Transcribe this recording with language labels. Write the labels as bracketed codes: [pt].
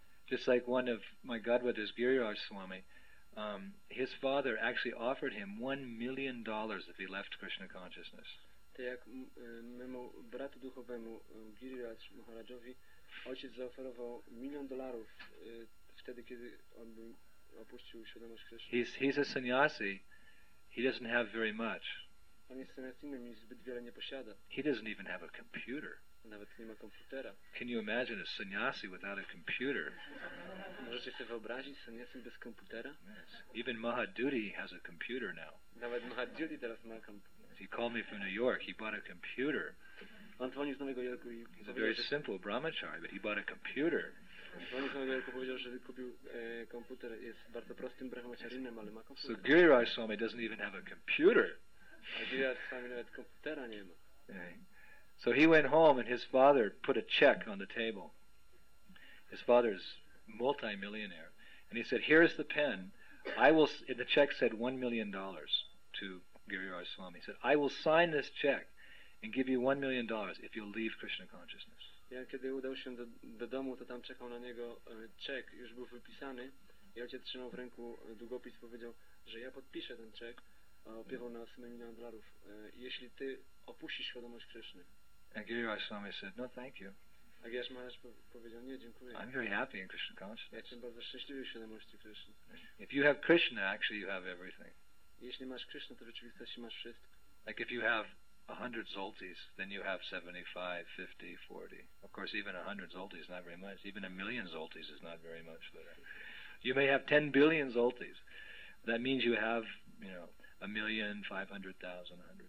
[en] Just like one of my godbrothers, Giriraj Swami, his father actually offered him $1,000,000 if he left Krishna consciousness. [pl] Tak jak memu bratu duchowemu Giriraj Maharajowi, ojciec zaoferował $1,000,000 wtedy, kiedy on by opuścił świadomość Krishna. [en] He's a sannyasi. He doesn't have very much. [pl] On jest sannyasinem i zbyt wiele nie posiada. [en] He doesn't even have a computer. [pl] Nawet nie ma komputera. [en] Can you imagine a sannyasi without a computer? [pl] Możecie sobie wyobrazić sannyasi bez komputera? [en] Yes. Even Mahadudi has a computer now. [pl] Nawet Mahadudi teraz ma komputer. [en] He called me from New York. He bought a computer. [pl] On dzwonił z Nowego Jorku i [en] he's a very simple brahmachari, but he bought a computer. [pl] On dzwonił z Nowego Jorku, powiedział, że kupił komputer. Jest bardzo prostym brahmacharinem, ale ma komputer. [en] So Giriraj Swami doesn't even have a computer. [pl] A Giriraj Swami nawet komputera nie ma. [en] So he went home and his father put a check on the table. His father is multimillionaire. And he said, here is the pen. And the check said $1,000,000 to Giriraj Swami. He said, I will sign this check and give you $1,000,000 if you'll leave Krishna consciousness. [pl] Ja kiedy udał się do domu, to tam czekał na niego czek, już był wypisany. I ojciec trzymał w ręku długopis, powiedział, że ja podpiszę ten czek, opiewał na $1,000,000, jeśli ty opuścisz świadomość Krishny. [en] And Giriraj Swami said, no, thank you. [pl] A Giriraj Swami powiedział, nie, dziękuję. [en] I'm very happy in Krishna consciousness. [pl] Ja jestem bardzo szczęśliwy w świadomości Krishna. [en] If you have Krishna, actually you have everything. [pl] Jeśli masz Krishna, to w rzeczywistości masz wszystko. [en] Like if you have 100 zoltis, then you have 75, 50, 40. Of course, even 100 zoltis is not very much. Even 1,000,000 zoltis is not very much. But you may have 10 billion zoltis. That means you have, you know, 1,500,000, 100,000.